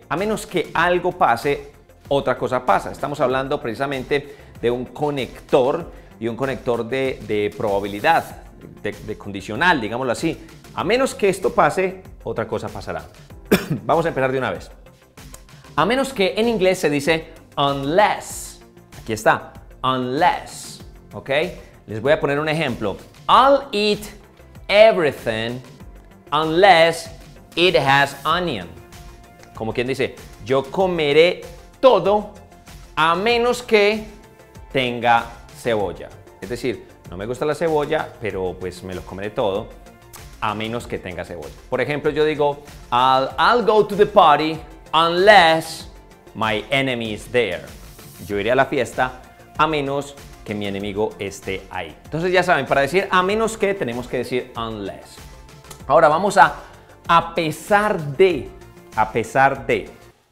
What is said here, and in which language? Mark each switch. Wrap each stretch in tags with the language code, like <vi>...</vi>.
<es>A menos que algo pase, otra cosa pasa. Estamos hablando precisamente de un conector y un conector de probabilidad, de condicional, digámoslo así. A menos que esto pase, otra cosa pasará. Vamos a empezar de una vez. A menos que en inglés se dice unless. Aquí está. Unless, ¿ok? Les voy a poner un ejemplo.</es> <en>I'll eat everything unless it has onion.</en> <es>Como quien dice, yo comeré todo a menos que tenga cebolla. Es decir, no me gusta la cebolla, pero pues me lo comeré todo a menos que tenga cebolla. Por ejemplo, yo digo,</es> <en>I'll go to the party unless my enemy is there.</en> <es>Yo iré a la fiesta a menos que mi enemigo esté ahí. Entonces ya saben, para decir a menos que tenemos que decir unless. Ahora vamos a pesar de, a pesar de.</es>